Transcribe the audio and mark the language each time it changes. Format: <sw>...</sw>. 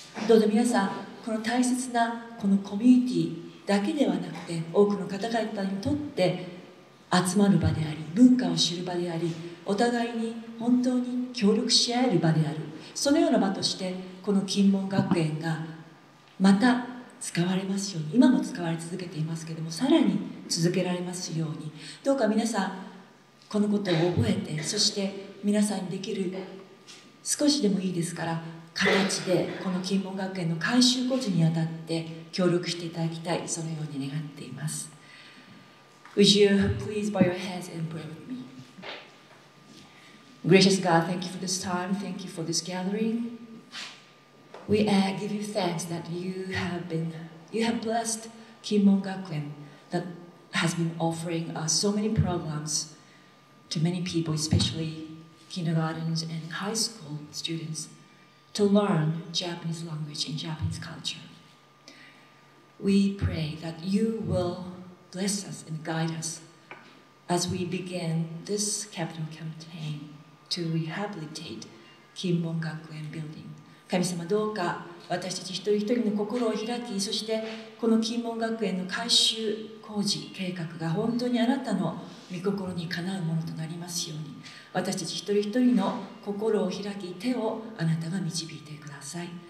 <ja>どうぞ皆さん、この大切なこのコミュニティだけではなくて、多くの方々にとって集まる場であり、文化を知る場であり、お互いに本当に協力し合える場である、そのような場としてこの金門学園がまた使われますように、今も使われ続けていますけれども、さらに続けられますように、どうか皆さんこのことを覚えて、そして皆さんにできる少しでもいいですから形で、この金門学園の改修工事にあたって協力していただきたい、そのように願っています。</ja> <en>Would you please bow your heads and pray with me? Gracious God, thank you for this time, thank you for this gathering. We give you thanks that you have blessed Kinmon Gakuen that has been offering us so many programs to many people, especially kindergartens and high school students, to learn Japanese language and Japanese culture. We pray that you will bless us and guide us as we begin this capital campaign to rehabilitate Kinmon Gakuen building.</en> <ja>神様、どうか私たち一人一人の心を開き、そしてこの金門学園の改修工事計画が本当にあなたの御心にかなうものとなりますように、私たち一人一人の心を開き、手をあなたが導いてください。</ja>